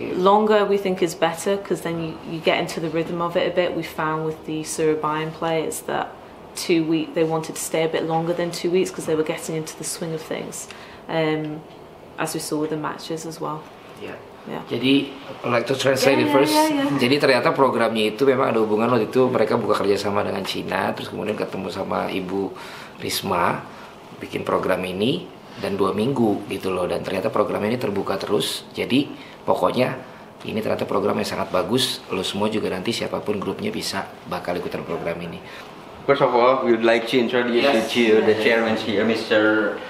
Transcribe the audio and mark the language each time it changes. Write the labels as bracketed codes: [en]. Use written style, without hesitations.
[en] Longer we think is better, because then you get into the rhythm of it a bit. We found with the Surabayan players that they wanted to stay a bit longer than 2 weeks, because they were getting into the swing of things, as we saw with the matches as well. Yeah. Yeah. [id] Jadi, [en] like to translate first. Yeah. [id] Jadi ternyata programnya itu memang ada hubungan waktu itu mereka buka kerjasama dengan China, terus kemudian ketemu sama Ibu Risma, bikin program ini dan 2 minggu gitu loh. Dan ternyata program ini terbuka terus. Jadi pokoknya ini ternyata program yang sangat bagus. Lo semua juga nanti siapapun grupnya bisa bakal ikutan program ini. [en] First of all, we'd like to introduce you to the chairman here, Mr.